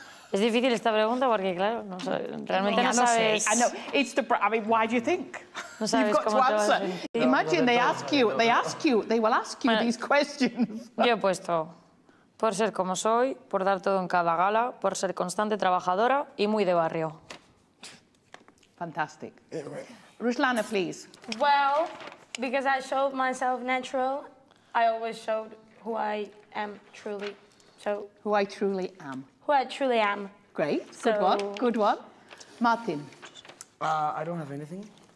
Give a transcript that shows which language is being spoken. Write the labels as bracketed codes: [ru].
[es] Es difícil esta pregunta porque, claro, no, realmente no, sabes... [en] I know, it's the... I mean, why do you think? [es] No sabes [en] you've got [es] cómo [en] to answer. Imagine they ask you, they ask you, they will ask you these questions. [es] Yo he puesto por ser como soy, por dar todo en cada gala, por ser constante, trabajadora y muy de barrio. [en] Fantastic. Ruslana, please. Well, because I showed myself natural, I always showed who I am truly. So, who I truly am. Who I truly am. Great. So, good one. Good one. Martin. I don't have anything.